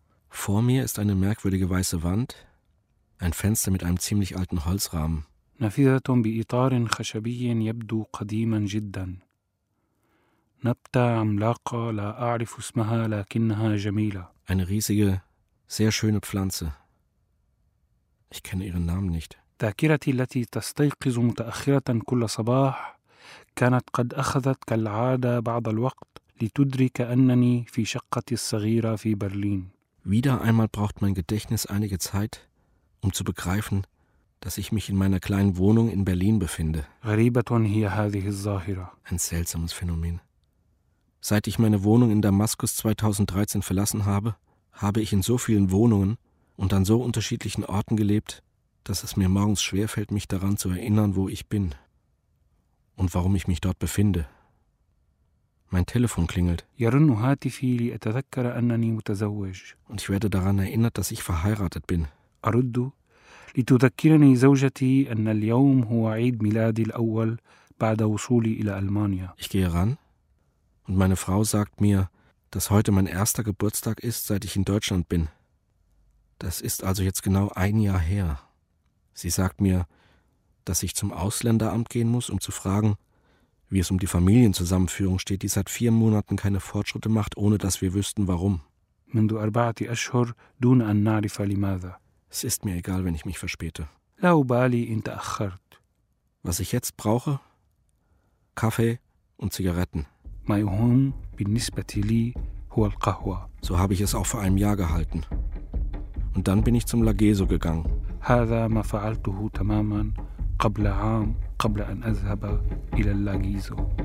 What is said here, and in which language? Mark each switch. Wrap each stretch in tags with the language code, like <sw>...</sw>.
<de>Vor mir ist eine merkwürdige weiße Wand, ein Fenster mit einem ziemlich alten Holzrahmen.</de> <ar>نافذة بإطار خشبي يبدو قديما جدا. نبتة عملاقة لا أعرف اسمها لكنها جميلة.</ar> <de>Eine riesige, sehr schöne Pflanze. Ich kenne ihren Namen nicht.</de> <ar>ذاكرتي التي تستيقظ متأخرة كل صباح كانت قد أخذت كالعادة بعض الوقت لتدرك أنني في شقتي الصغيرة في برلين.</ar> <de>Wieder einmal braucht mein Gedächtnis einige Zeit, um zu begreifen, dass ich mich in meiner kleinen Wohnung in Berlin befinde. Ein seltsames Phänomen. Seit ich meine Wohnung in Damaskus 2013 verlassen habe, habe ich in so vielen Wohnungen und an so unterschiedlichen Orten gelebt, dass es mir morgens schwerfällt, mich daran zu erinnern, wo ich bin und warum ich mich dort befinde. Mein Telefon klingelt. Und ich werde daran erinnert, dass ich verheiratet bin.</de> <ar>لتذكرني زوجتي أن اليوم هو عيد ميلادي الأول بعد وصولي إلى ألمانيا.</ar> <de>Ich gehe ran und meine Frau sagt mir, dass heute mein erster Geburtstag ist, seit ich in Deutschland bin. Das ist also jetzt genau ein Jahr her. Sie sagt mir, dass ich zum Ausländeramt gehen muss, um zu fragen, wie es um die Familienzusammenführung steht, die seit 4 Monaten keine Fortschritte macht, ohne dass wir wüssten, warum.</de> <ar>منذ أربعة أشهر دون أن نعرف لماذا.</ar> <de>Es ist mir egal, wenn ich mich verspäte.</de> <ar>لا أبالي إن تأخرت.</ar> <de>Was ich jetzt brauche? Kaffee und Zigaretten.</de> <ar>ما يهم بالنسبة لي هو القهوة.</ar> <de>So habe ich es auch vor einem Jahr gehalten. Und dann bin ich zum Lageso gegangen.</de> <ar>هذا ما فعلته تماما قبل عام قبل أن أذهب إلى اللاجيزو.</ar>